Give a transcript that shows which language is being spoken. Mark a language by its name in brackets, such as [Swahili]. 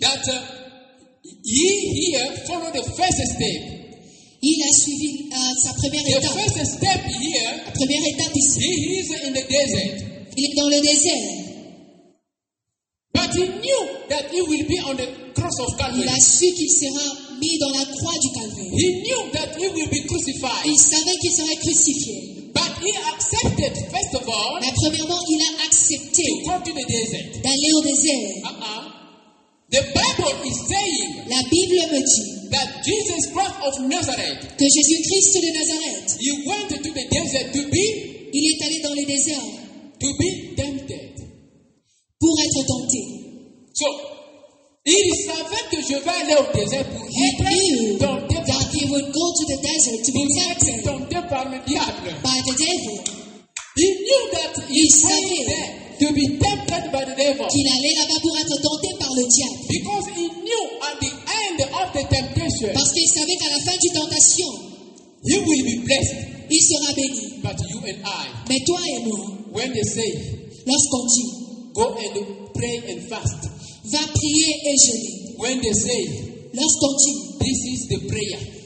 [English] That he here followed the first step. [French] Il a suivi sa première [English] the First step here, [French] la première étape ici. [English] He is in the desert. [French] Il est dans le désert. [English] But he knew that he will be on the cross of Calvary. [French] Il a su qu'il sera mis dans la croix du Calvaire. [English] He knew that he will be crucified. [French] Il savait qu'il serait crucifié. [English] But he accepted, first of all, [French] mais premièrement, il a accepté [English] to go to the desert. [French] D'aller au désert. [English] The Bible is saying [French] la Bible me dit [English] that Jesus Christ of Nazareth, [French] que Jésus-Christ de Nazareth, [English] he went to the desert to be, [French] il est allé dans le désert, [English] to be tempted, [French] pour être tenté. So, il savait que je vais aller au désert pour être tenté. [English] That he would go to the desert to be tempted, [French] tenté par le diable. [English] By the devil. He knew that he [French] savait [English] there to be tempted by the devil. [French] Qu'il allait là-bas pour être tenté par le diable. [English] Because he knew at the end of the temptation. [French] Parce qu'il savait qu'à la fin du tentation, [English] he will be blessed. [French] Il sera béni. [English] But you and I. [French] Mais toi et moi. [English] When they say, [French] lorsqu'on dit, [English] go and pray and fast. [French] Va prier et jeûner. [English] When they say, [French] lorsqu'on dit, [English] this is the prayer.